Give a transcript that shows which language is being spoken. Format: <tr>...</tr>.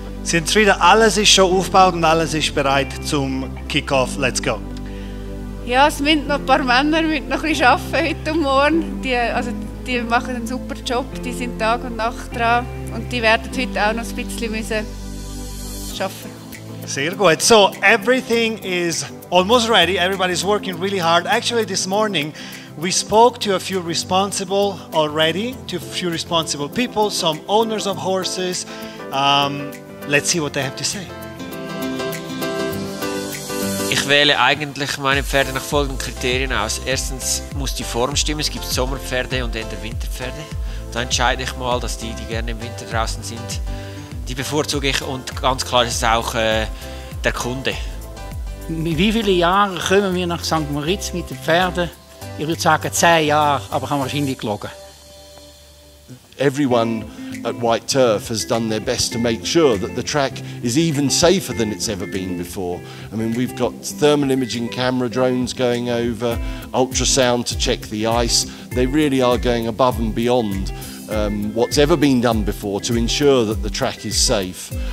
<de>Sind zufrieden, alles ist schon aufgebaut und alles ist bereit zum Kickoff.</de> <en>Let's go.</en> <de>Ja, es müssen noch ein paar Männer noch ein bisschen arbeiten heute und morgen. Die machen einen super Job, die sind Tag und Nacht dran. Und die werden heute auch noch ein bisschen müssen arbeiten. Sehr gut.</de> <en>So, everything is almost ready. Everybody's working really hard. Actually, this morning, we spoke to a few responsible already, to a few responsible people, some owners of horses. Let's see what they have to say.</en> <de>Ich wähle eigentlich meine Pferde nach folgenden Kriterien aus. Erstens muss die Form stimmen. Es gibt Sommerpferde und eher Winterpferde. Da entscheide ich mal, dass die, die gerne im Winter draußen sind, die bevorzuge ich, und ganz klar ist es auch der Kunde. Wie viele Jahre kommen wir nach St. Moritz mit den Pferden? Ich würde sagen 10 Jahre, aber haben wir wahrscheinlich gelogen.</de> <en>Everyone at White Turf has done their best to make sure that the track is even safer than it's ever been before. I mean, we've got thermal imaging camera drones going over, ultrasound to check the ice. They really are going above and beyond what's ever been done before to ensure that the track is safe.</en>